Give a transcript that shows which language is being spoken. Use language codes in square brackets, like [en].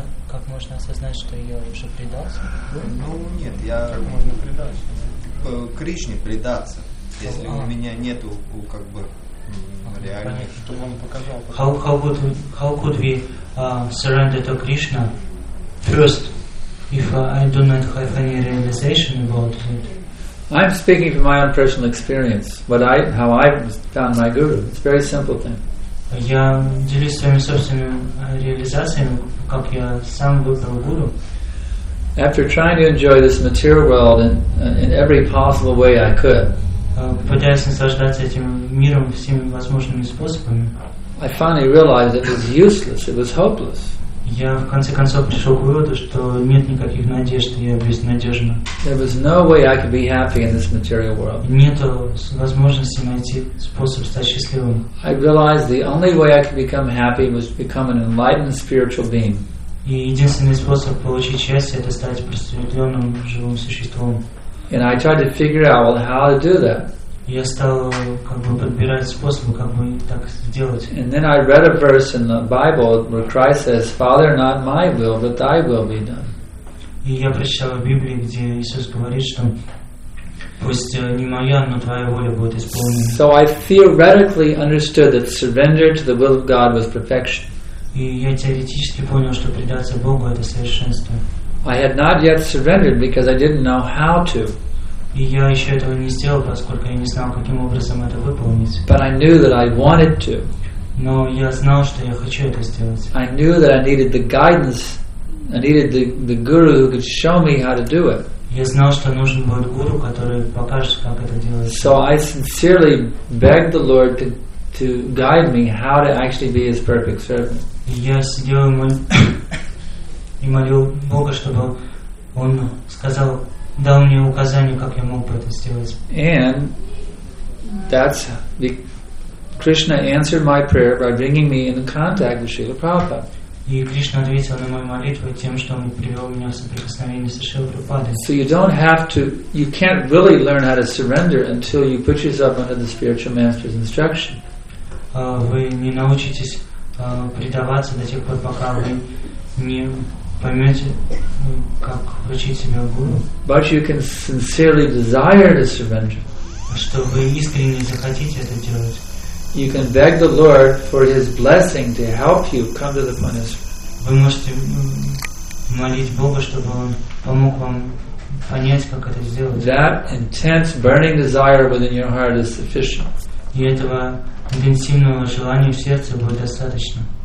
[ru] как можно осознать, что я уже предался? Ну, нет, я... Как можно предаться? Кришне предаться, если у меня нету, как бы, [en] How could we surrender to Krishna first if I do not have any realization about it? I'm speaking from my own personal experience, but how I found my guru. It's a very simple thing. [ru] Я делюсь своими собственными реализациями, как я сам выбрал гуру. [en] After trying to enjoy this material world in every possible way I could. [ru] Пытаясь наслаждаться этим миром всеми возможными способами. [en] I finally realized it was useless, it was hopeless. [ru] Я в конце концов пришел к выводу, что нет никаких надежд, я безнадежен. [en] There was no way I could be happy in this material world. [ru] Нет возможности найти способ стать счастливым. [en] I realized the only way I could become happy was to become an enlightened spiritual being. [ru] И единственный способ получить счастье — это стать просветленным живым существом. [en] And I tried to figure out, well, how to do that. [ru] Я стал как бы подбирать способы, как бы так сделать. [en] And then I read a verse in the Bible where Christ says, "Father, not my will, but Thy will be done." [ru] И я прочитал в Библии, где Иисус говорит, что пусть не моя, но Твоя воля будет исполнена. [en] So I theoretically understood that surrender to the will of God was perfection. [ru] И я теоретически понял, что предаться Богу — это совершенство. [en] I had not yet surrendered because I didn't know how to. [ru] И я еще этого не сделал, поскольку я не знал, каким образом это выполнить. [en] But I knew that I wanted to. [ru] Но я знал, что я хочу это сделать. [en] I knew that I needed the guidance. I needed the guru who could show me how to do it. [ru] Я знал, что нужен будет гуру, который покажет, как это делать. [en] So I sincerely begged the Lord to guide me how to actually be His perfect servant. [ru] Я сидел и молил Бога, чтобы Он сказал, дал мне указание, как я мог бы это сделать. [en] And that's the Krishna answered my prayer by bringing me in contact with Srila Prabhupada. [ru] И Кришна ответил на мою молитву тем, что Он привел меня в соприкосновение с Шрилой Прабхупадой. [en] So you don't have to, you can't really learn how to surrender until you put yourself under the spiritual master's instruction. [ru] Вы не научитесь предаваться до тех пор, пока вы не поймете, как учить себя гуру. [en] But you can sincerely desire to surrender. [ru] Что вы искренне захотите это делать. [en] You can beg the Lord for His blessing to help you come to the Manasra. [ru] Вы можете молить Бога, чтобы Он помог вам понять, как это сделать. [en] That intense burning desire within your heart is sufficient. [ru] И этого интенсивного желания в сердце будет достаточно.